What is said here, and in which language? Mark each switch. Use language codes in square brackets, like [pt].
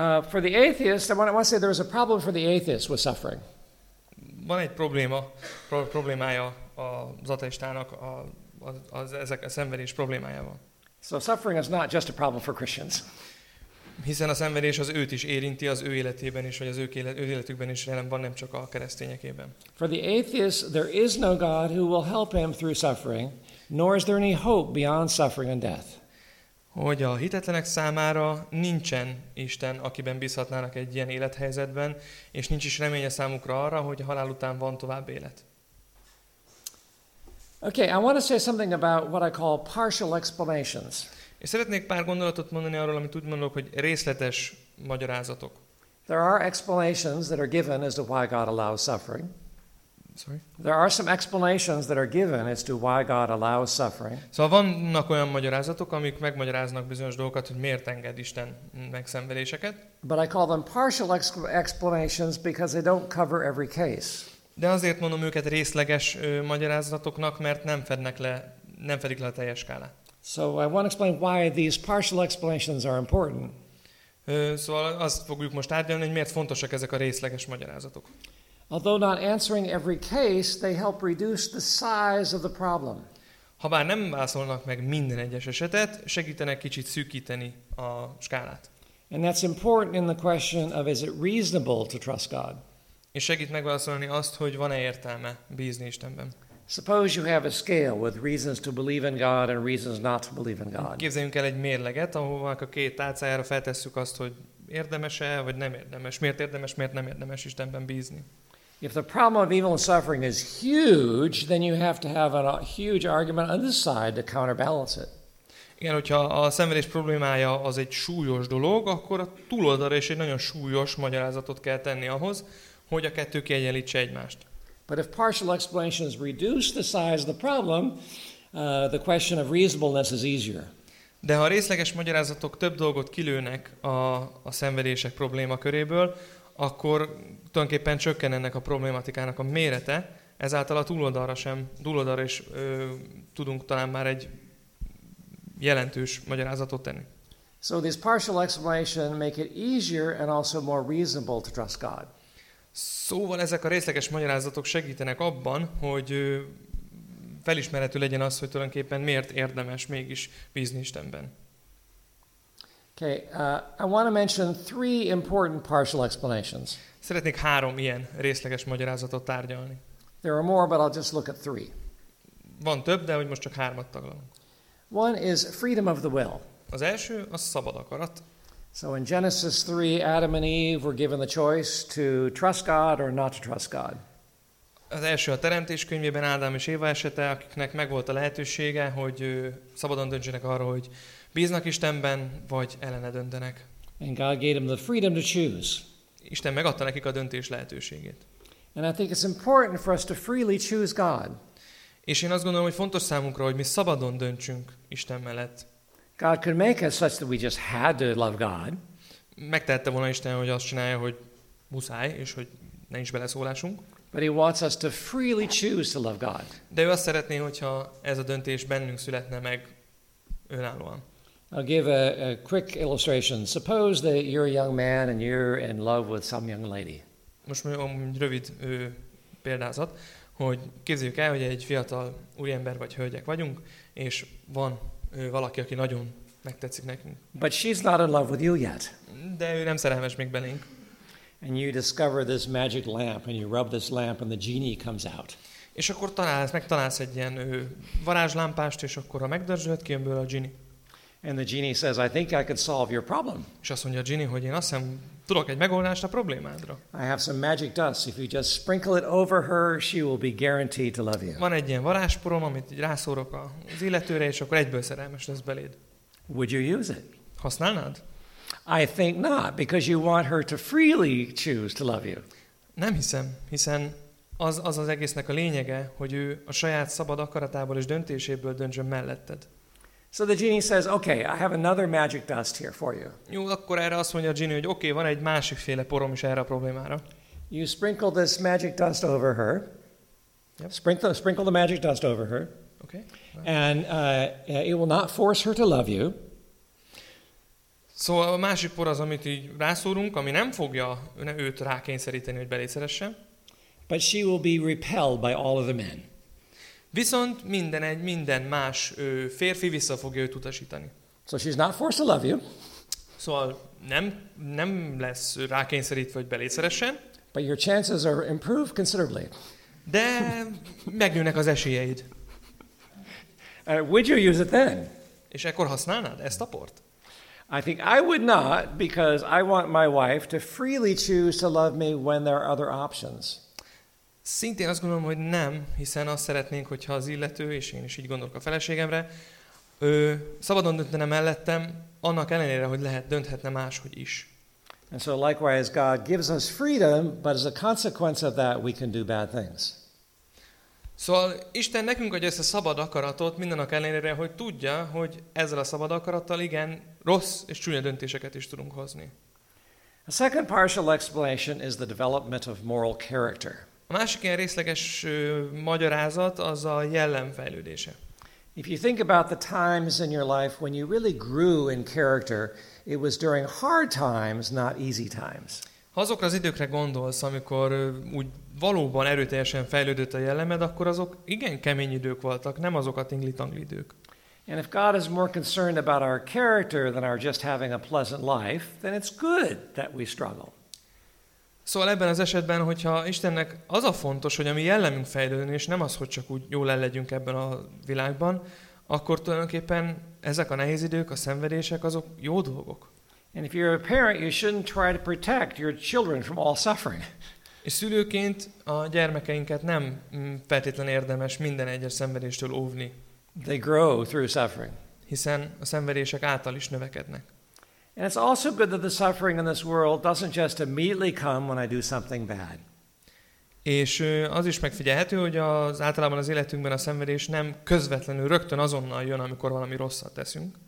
[en] For the atheist, I want to say there is a problem for the atheist with suffering. [hu] Van egy probléma, problémája az ateistának ezek a szenvedés problémájával. [en] So suffering is not just a problem for Christians. [hu] Hiszen a szenvedés az őt is érinti az ő életében is, vagy az ő életükben is jelen van, nem csak a keresztényekében. [en] For the atheist, there is no God who will help him through suffering, nor is there any hope beyond suffering and death. [hu] Hogy a hitetlenek számára nincsen Isten, akiben bízhatnának egy ilyen élethelyzetben, és nincs is reménye számukra arra, hogy a halál után van tovább élet. [en] Okay, I want to say something about what I call partial explanations. [hu] És szeretnék pár gondolatot mondani arról, amit úgy mondok, hogy részletes magyarázatok. [en] There are explanations that are given as to why God allows suffering. Sorry. There are some explanations that are given as to why God allows suffering. [hu] Szóval vannak olyan magyarázatok, amik megmagyaráznak bizonyos dolgokat, hogy miért enged Isten megszenvedéseket. [en] But I call them partial explanations because they don't cover every case. [hu] De azért mondom őket részleges magyarázatoknak, mert nem fedik le a teljes skálát. [en] So I want to explain why these partial explanations are important. [hu] Szóval azt fogjuk most átgyalni, hogy miért fontosak ezek a részleges magyarázatok. [en] Although not answering every case, they help reduce the size of the problem. [hu] Habár nem válaszolnak meg minden egyes esetet, segítenek kicsit szűkíteni a skálát. [en] And that's important in the question of is it reasonable to trust God? [hu] És segít megválaszolni azt, hogy van-e értelme bízni Istenben. [en] Suppose you have a scale with reasons to believe in God and reasons not to believe in God. [hu] Képzeljünk el egy mérleget, ahova a két tálcájára feltesszük azt, hogy érdemes-e vagy nem érdemes, miért érdemes, miért nem érdemes Istenben bízni. [en] If the problem of evil and suffering is huge, then you have to have a huge argument on this side to counterbalance it. [hu] Igen, hogyha a szenvedés problémája az egy súlyos dolog, akkor a túloldalra is egy nagyon súlyos magyarázatot kell tenni ahhoz, hogy a kettő kiegyenlítse egymást. [en] But if partial explanations reduce the size of the problem, the question of reasonableness is easier. [hu] De ha a részleges magyarázatok több dolgot kilőnek a szenvedések probléma köréből, akkor tulajdonképpen csökken ennek a problématikának a mérete, ezáltal a túloldalra is tudunk talán már egy jelentős magyarázatot tenni. [en] So these partial explanations make it easier and also more reasonable to trust God. [hu] Szóval ezek a részleges magyarázatok segítenek abban, hogy felismerhető legyen az, hogy tulajdonképpen miért érdemes mégis bízni Istenben. [en] Okay, I want to mention three important partial explanations. [hu] Szeretnék három ilyen részleges magyarázatot tárgyalni. [en] There are more, but I'll just look at three. [hu] Van több, de hogy most csak hármat taglalunk. [en] One is freedom of the will. [hu] Az első a szabad akarat. [en] So in Genesis 3, Adam and Eve were given the choice to trust God or not to trust God. [hu] Az első a Teremtés könyvében Ádám és Éva esete, akiknek megvolt a lehetősége, hogy szabadon döntsenek arra, hogy bíznak Istenben, vagy ellene döntenek. [en] And God gave them the freedom to choose. [hu] Isten megadta nekik a döntés lehetőségét. [en] And I think it's important for us to freely choose God. [hu] És én azt gondolom, hogy fontos számunkra, hogy mi szabadon döntsünk Isten mellett. [en] God could make us such that we just had to love God. [hu] Megtehette volna Isten, hogy azt csinálja, hogy muszáj, és hogy ne is beleszólásunk. [en] But he wants us to freely choose to love God. [hu] De ő azt szeretné, hogyha ez a döntés bennünk születne meg önállóan. [en] I'll give a quick illustration. Suppose that you're a young man and you're in love with some young lady. [hu] Most mondjam, rövid példázat, hogy képzeljük el, hogy egy fiatal úriember vagy hölgyek vagyunk, és van valaki, aki nagyon megtetszik nekünk. [en] But she's not in love with you yet. [hu] De ő nem szerelmes még belénk. [en] And you discover this magic lamp, and you rub this lamp, and the genie comes out. [hu] És akkor megtalálsz egy ilyen varázslámpást, és akkor a megdörzsölt kijön belőle a genie. [en] And the genie says, I think I could solve your problem. [hu] És azt mondja a genie, hogy én azt hiszem, tudok egy megoldást a problémádra. [en] I have some magic dust. If you just sprinkle it over her, she will be guaranteed to love you. [hu] Van egy ilyen varázsporom, amit rászórok az illetőre, és akkor egyből szerelmes lesz beléd. [en] Would you use it? [hu] Használnád? [en] I think not, because you want her to freely choose to love you. [hu] Nem hiszem, hiszen az egésznek a lényege, hogy ő a saját szabad akaratából és döntéséből döntsön melletted. [en] So the genie says, okay, I have another magic dust here for you. [hu] Jó, akkor erre azt mondja a genie, hogy okay, van egy másik féle porom is erre a problémára. [en] You sprinkle this magic dust over her. Yep. Sprinkle the magic dust over her. Okay. And it will not force her to love you. [hu] Szóval a másik por az, amit így rászúrunk, ami nem fogja őt rákényszeríteni, hogy belé szeressen. [en] But she will be repelled by all of the men. [hu] Viszont minden más férfi vissza fogja őt utasítani. [en] So she's not forced to love you. [hu] Szóval nem lesz rákényszerítve, hogy belé szeressen. [en] But your chances are improved considerably. [hu] De megnőnek az esélyeid. [en] Would you use it then? [hu] És ekkor használnád ezt a port? [en] I think I would not, because I want my wife to freely choose to love me when there are other options. [hu] Szintén azt gondolom, hogy nem, hiszen azt szeretnénk, hogyha az illető, és én is így gondolok a feleségemre, szabadon döntene mellettem, annak ellenére, hogy lehet dönthetne máshogy is. [en] And so likewise God gives us freedom, but as a consequence of that we can do bad things. [hu] Szóval Isten nekünk adja ezt a szabad akaratot, mindennek ellenére, hogy tudja, hogy ezzel a szabad akarattal igen rossz és csúnya döntéseket is tudunk hozni. [en] A second partial explanation is the development of moral character. [hu] A másik ilyen részleges magyarázat az a jellem fejlődése. [en] If you think about the times in your life when you really grew in character, it was during hard times, not easy times. [hu] Ha azokra az időkre gondolsz, amikor úgy valóban erőteljesen fejlődött a jellemed, akkor azok igen kemény idők voltak, nem azok a tingli-tangli idők. [en] And if God is more concerned about our character than our just having a pleasant life, then it's good that we struggle. [hu] Szóval ebben az esetben, hogyha Istennek az a fontos, hogy a mi jellemünk fejlődjön, és nem az, hogy csak úgy jól el legyünk ebben a világban, akkor tulajdonképpen ezek a nehéz idők, a szenvedések, azok jó dolgok. [en] And if you're a parent, you shouldn't try to protect your children from all suffering. [hu] És szülőként a gyermekeinket nem feltétlen érdemes minden egyes szenvedéstől óvni. [en] They grow through suffering. [hu] Hiszen a szenvedések által is növekednek. [en] And it's also good that the suffering in this world doesn't just immediately come when I do something bad. [hu] És az is megfigyelhető, hogy az általában az életünkben a szenvedés nem közvetlenül rögtön azonnal jön, amikor valami rosszat teszünk.